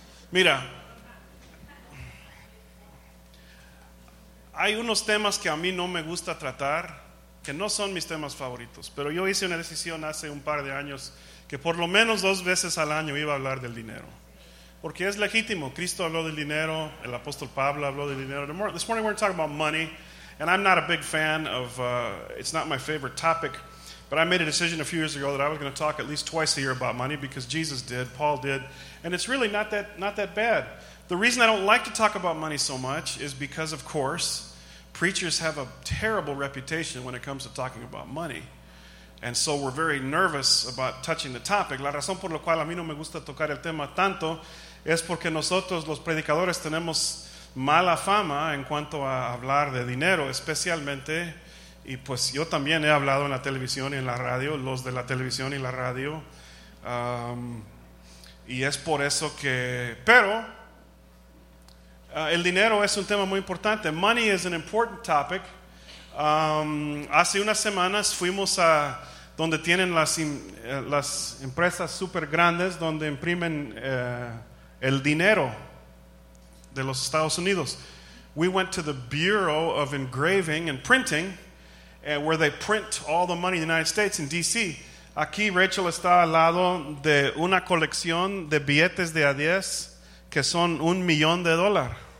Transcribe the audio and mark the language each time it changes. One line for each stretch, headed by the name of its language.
Spanish: Mira, hay unos temas que a mí no me gusta tratar, que no son mis temas favoritos, pero yo hice una decisión hace un par de años que por lo menos dos veces al año iba a hablar del dinero. Porque es legítimo. Cristo habló del dinero, el apóstol Pablo habló del dinero.
English: This morning we're talking about money, and I'm not a big fan of, it's not my favorite topic, but I made a decision a few years ago that I was going to talk at least twice a year about money because Jesus did, Paul did, and it's really not that bad. The reason I don't like to talk about money so much is because, of course, preachers have a terrible reputation when it comes to talking about money. And so we're very nervous about touching the topic.
Spanish: La razón por la cual a mí no me gusta tocar el tema tanto es porque nosotros, los predicadores, tenemos mala fama en cuanto a hablar de dinero, especialmente. Y pues yo también he hablado en la televisión y en la radio, los de la televisión y la radio. Y es por eso que... Pero el dinero es un tema muy importante.
English: Money is an important topic.
Spanish: Hace unas semanas fuimos a donde tienen las empresas super grandes donde imprimen el dinero de los Estados Unidos.
English: We went to the Bureau of Engraving and Printing, where they print all the money in the United States in D.C.
Spanish: Aquí Rachel está al lado de una colección de billetes de a 10 que son $1,000,000.